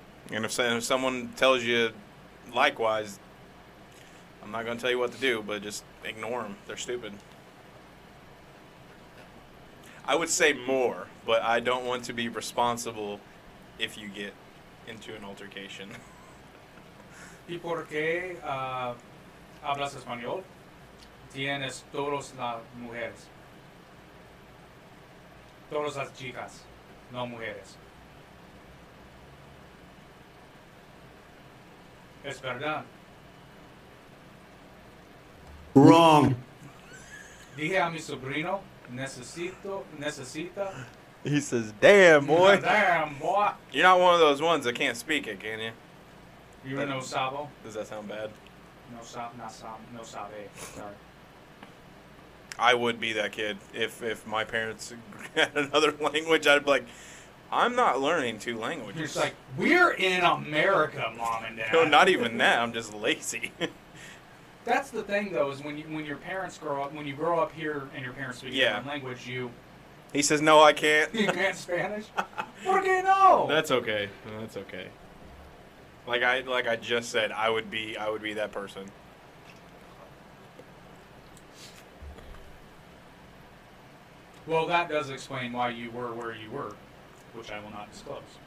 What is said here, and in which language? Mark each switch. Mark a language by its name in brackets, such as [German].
[English] And if someone tells you likewise, I'm not going to tell you what to do, but just ignore them. They're stupid. I would say more, but I don't want to be responsible if you get into an altercation. [Spanish] ¿Y por qué hablas español? Tienes todas las mujeres. Todas las chicas, no mujeres. Es verdad. [English] Wrong. [Spanish] Dije a mi sobrino, necesita. [English] He says, damn, boy. Damn, boy. You're not one of those ones that can't speak it, can you? You [Spanish] no sabo. [English] Does that sound bad? [Spanish] No sabe. [English] Sorry. I would be that kid. If my parents had another language, I'd be like, I'm not learning two languages. You're just like, we're in America, mom and dad. No, not even that. I'm just lazy. That's the thing, though, is when you grow up here and your parents speak your own language, you... He says, no, I can't. You can't Spanish? [Spanish] ¿Por qué no? [English] That's okay. Like I just said, I would be that person. Well, that does explain why you were where you were, which I will not disclose.